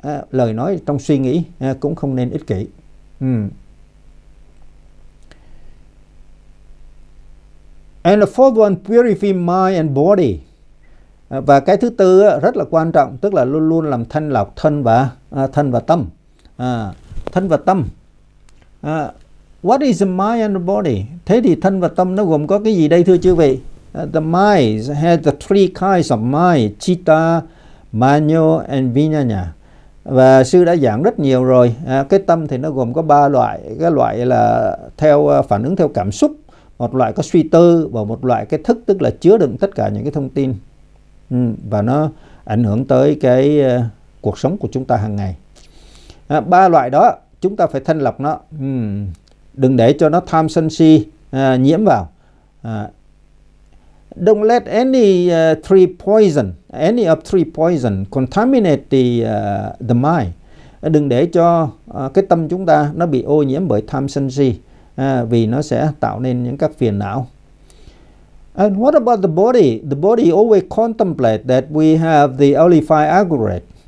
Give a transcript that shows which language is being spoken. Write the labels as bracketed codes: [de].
[vi] Lời nói trong suy nghĩ cũng không nên ích kỷ. [en] And the fourth one, purify mind and body. [vi] Và cái thứ tư rất là quan trọng, tức là luôn luôn làm thanh lọc thân và tâm. Thân và tâm. [en] What is the mind and the body? [vi] Thế thì thân và tâm nó gồm có cái gì đây thưa chư vị? [en] The mind has the three kinds of mind: citta, manyo and vinyana. [vi] Và sư đã giảng rất nhiều rồi. Cái tâm thì nó gồm có ba loại. Cái loại là theo phản ứng theo cảm xúc, một loại có suy tư, và một loại cái thức, tức là chứa đựng tất cả những cái thông tin. Và nó ảnh hưởng tới cái cuộc sống của chúng ta hàng ngày. Ba loại đó chúng ta phải thanh lọc nó. Đừng để cho nó tham sân si nhiễm vào. [en] Don't let any three poison, any of three poison contaminate the mind. [vi] Đừng để cho cái tâm chúng ta nó bị ô nhiễm bởi tham sân si, vì nó sẽ tạo nên những các phiền não. [en] And what about the body? The body always contemplate that we have the only five aggregate.